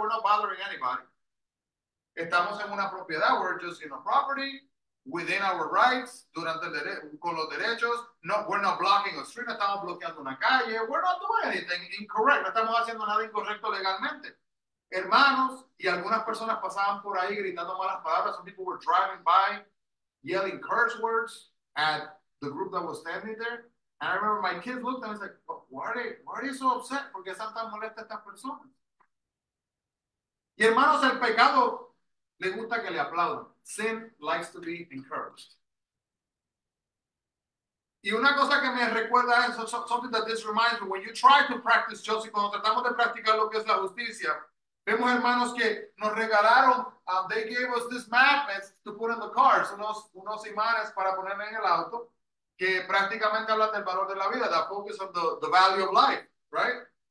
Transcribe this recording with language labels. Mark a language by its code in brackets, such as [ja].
[en] We're not bothering anybody. [es] Estamos en una propiedad. [en] We're just in a property within our rights, [es] durante el con los derechos. [en] No, we're not blocking a street. [es] No estamos bloqueando una calle. [en] We're not doing anything incorrect. [es] No estamos haciendo nada incorrecto legalmente. Hermanos, y algunas personas pasaban por ahí gritando malas palabras. [en] Some people were driving by yelling curse words at the group that was standing there. And I remember my kids looked and I was like, why are you so upset? [es] ¿Por qué están tan molestas estas personas? Y hermanos, el pecado le gusta que le aplaudan. [en] Sin likes to be encouraged. [es] Y una cosa que me recuerda es [en] something that this reminds me. When you try to practice justice, [es] cuando tratamos de practicar lo que es la justicia, vemos hermanos que nos regalaron, [en] they gave us this magnets to put in the cars, [es] unos imanes para poner en el auto, que prácticamente hablan del valor de la vida, [en] that focus on the value of life, right?